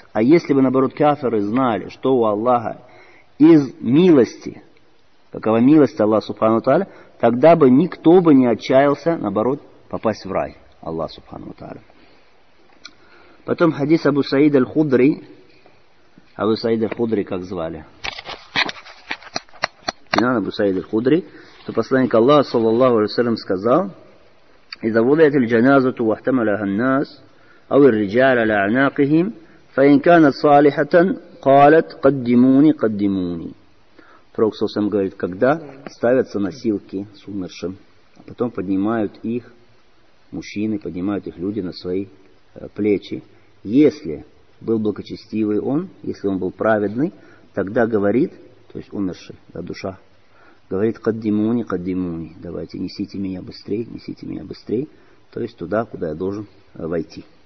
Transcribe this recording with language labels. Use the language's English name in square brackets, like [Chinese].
[Russian] А если бы, наоборот, кафиры знали, что у Аллаха из милости, какова милость Аллаха Субхану Тааля, тогда бы никто бы не отчаялся, наоборот, попасть в рай Аллаха Субхану Тааля. Потом хадис Абу Саида Аль-Худри. Абу Саида Аль-Худри как звали? Кинан Абу Саида Аль-Худри. То посланник Аллаха, саллаллаху алейхи ва саллям, сказал... [Arabic] إذا وضعت الجنازة واحتملها الناس أو الرجال على أعناقهم فإن كانت صالحة قالت قدموني قدموني. [Russian] Пророк саллаллаху алейхи ва саллям говорит, когда ставятся носилки с умершим, а потом поднимают их мужчины, поднимают их люди на свои плечи, если был благочестивый он, если он был праведный, тогда говорит, то есть умерший, да, душа, говорит, [Arabic] «Каддимуни, каддимуни», [Russian] давайте, несите меня быстрее, несите меня быстрее, то есть туда, куда я должен войти.